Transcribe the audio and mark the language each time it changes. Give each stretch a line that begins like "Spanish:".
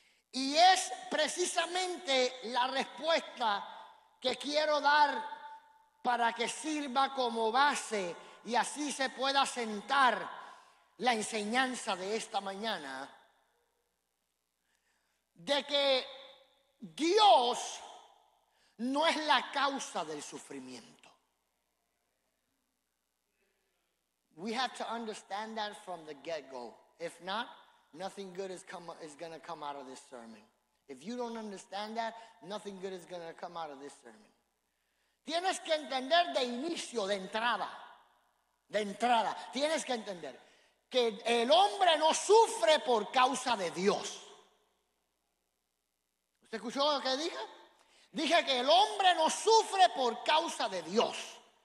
Spanish: Y es precisamente la respuesta que quiero dar para que sirva como base y así se pueda sentar la enseñanza de esta mañana, de que Dios no es la causa del sufrimiento.
English: We have to understand that from the get-go. If not, nothing good is going to come out of this sermon. If you don't understand that, nothing good is going to come out of this sermon.
Spanish: Tienes que entender de inicio, de entrada, tienes que entender que el hombre no sufre por causa de Dios. ¿Usted escuchó lo que dije? Dije que el hombre no sufre por causa de Dios.